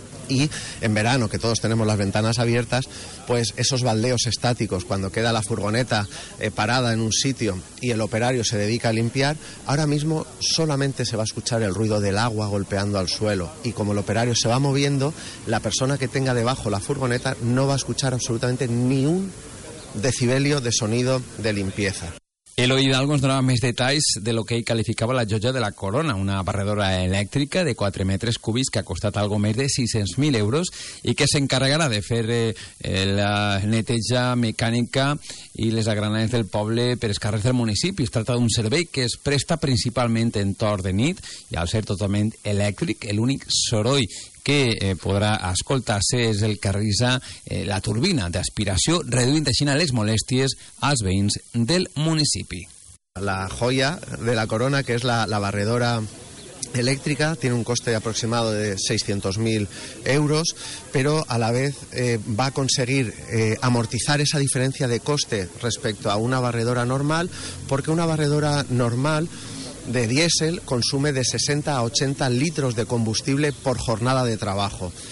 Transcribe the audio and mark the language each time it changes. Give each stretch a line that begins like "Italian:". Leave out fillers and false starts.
Spanish: Y en verano, que todos tenemos las ventanas abiertas, pues esos baldeos estáticos, cuando queda la furgoneta parada en un sitio y el operario se dedica a limpiar, ahora mismo solamente se va a escuchar el ruido del agua golpeando al suelo. Y como el operario se va moviendo, la persona que tenga debajo la furgoneta no va a escuchar absolutamente ni un decibelio de sonido de limpieza.
Catalan: Eloi Hidalgo ens donava més detalls de lo que ell qualificava la joia de la corona, una barredora elèctrica de 4 metres cúbics que ha costat algo més de 600.000 euros i que s'encarregarà de fer la neteja mecànica i les agranades del poble per els carrers del municipi. Es tracta d'un servei que es presta principalment en torn de nit i al ser totalment elèctric, l'únic soroll que podrà escoltar-se és el que realitza la turbina d'aspiració, reduint així les molèsties als veïns del municipi. La joia de la corona, que és la barredora elèctrica,
Spanish: tiene un coste aproximado de 600.000 euros, pero a la vez va a conseguir amortizar esa diferencia de coste respecto a una barredora normal, porque una barredora normal de diésel consume de 60 a 80 litros de combustible por jornada de trabajo.